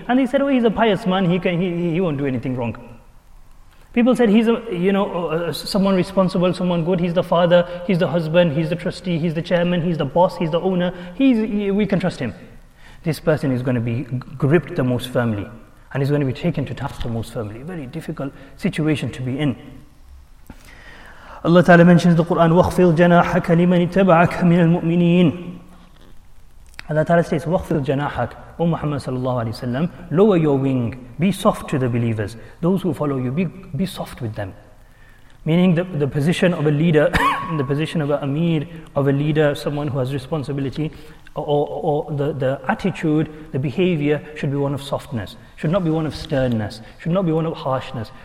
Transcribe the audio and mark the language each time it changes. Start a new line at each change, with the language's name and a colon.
English: And they said, oh, he's a pious man. He won't do anything wrong. People said he's someone responsible, someone good. He's the father, he's the husband, he's the trustee, he's the chairman, he's the boss, he's the owner. We can trust him. This person is going to be gripped the most firmly, and he's going to be taken to task the most firmly. Very difficult situation to be in. Allah Ta'ala mentions the Quran,
Arabic: وَخْفِلْ جَنَاحَكَ لِمَنِ اتَّبَعَكَ مِنَ الْمُؤْمِنِينَ.
English: Allah Ta'ala says,
Arabic: وَخْفِلْ جَنَاحَكَ.
English: O Muhammad sallallahu alayhi wa sallam, lower your wing, be soft to the believers. Those who follow you, be soft with them. Meaning the position of a leader, the position of an amir, of a leader, someone who has responsibility, or the attitude, the behavior should be one of softness, should not be one of sternness, should not be one of harshness.